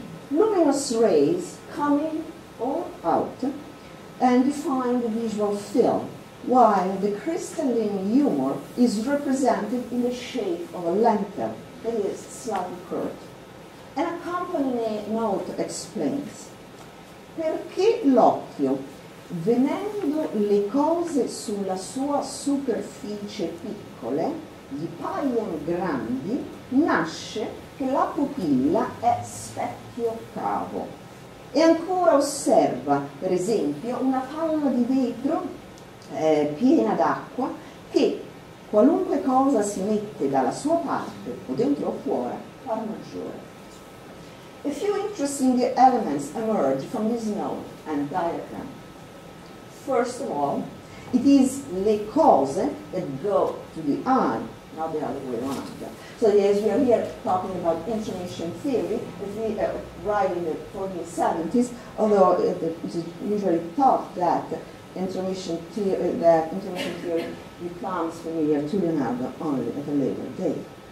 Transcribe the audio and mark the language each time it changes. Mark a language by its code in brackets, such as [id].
[en] Luminous rays come in or out and define the visual field, while the crystalline humor is represented in the shape of a lantern, that is, slightly curved. An accompanying note explains, [it] perché l'occhio, venendo le cose sulla sua superficie piccole, gli paiono grandi, nasce che la pupilla è specchio cavo. E ancora osserva, per esempio, una palla di vetro piena d'acqua che qualunque cosa si mette dalla sua parte o dentro o fuori par maggiore. [en] A few interesting elements emerge from this note and diagram. First of all, it is le cose that go to the eye, not the other way around. So as we are here talking about information theory, as we arrive in the 1470s, although it is usually thought that information theory becomes familiar to Leonardo only at a later date.